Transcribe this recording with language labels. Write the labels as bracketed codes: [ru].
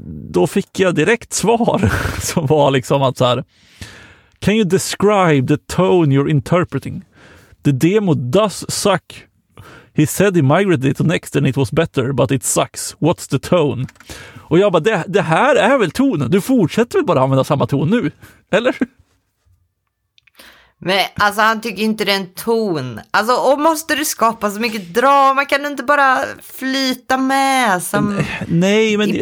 [sv] då fick jag direkt svar som var liksom att så här, [en] can you describe the tone you're interpreting? The demo does suck. He said he migrated it to next and it was better, but it sucks. What's the tone? [sv] Och jag bara, det här är väl tonen? Du fortsätter väl bara använda samma ton nu? Eller? Men alltså, han tycker inte det är en ton. Alltså, och måste du skapa så mycket drama? Kan du inte bara flyta med som nej, men